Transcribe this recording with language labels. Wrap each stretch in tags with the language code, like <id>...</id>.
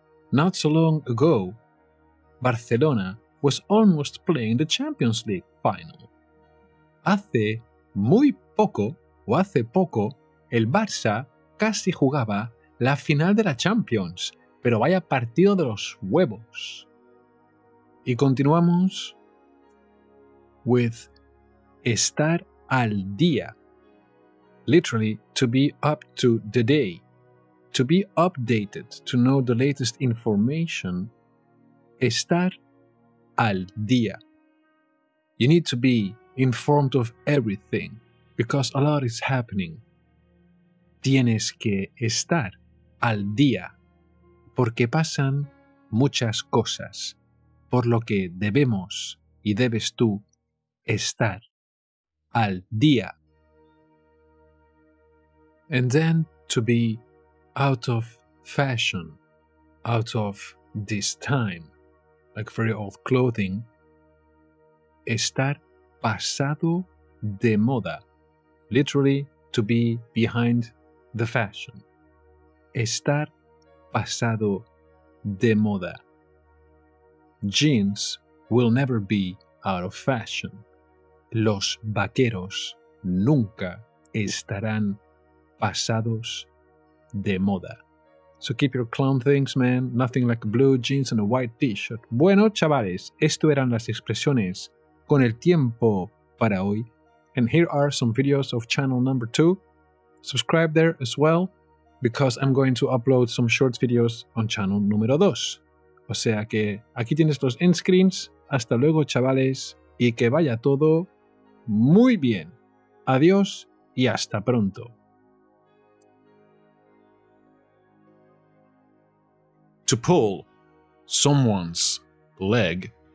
<en>Not so long ago, Barcelona was almost playing the Champions League final.</en> <es>Hace muy poco, o hace poco, el Barça casi jugaba la final de la Champions, pero vaya partido de los huevos. Y continuamos with estar al día.</es> <en>Literally, to be up to the day. To be updated, to know the latest information.</en> <es>Estar al día.</es> <en>You need to be informed of everything, because a lot is happening.</en> <es>Tienes que estar al día, porque pasan muchas cosas, por lo que debemos y debes tú estar al día.</es> <en>And then to be out of fashion, out of this time, like very old clothing,</en> <es>estar pasado de moda,</es> <en>literally to be behind the fashion.</en> <es>Estar pasado de moda.</es> <en>Jeans will never be out of fashion.</en> <es>Los vaqueros nunca estarán pasados de moda.</es> <en>So keep your clown things, man. Nothing like blue jeans and a white t-shirt.</en> <es>Bueno, chavales, esto eran las expresiones con el tiempo para hoy.</es> <en>And here are some videos of channel number 2. Subscribe there as well, because I'm going to upload some short videos on channel número 2.</en> <es>O sea que aquí tienes los end screens. Hasta luego, chavales, y que vaya todo muy bien. Adiós y hasta pronto.</es> <en>To pull someone's leg.</en>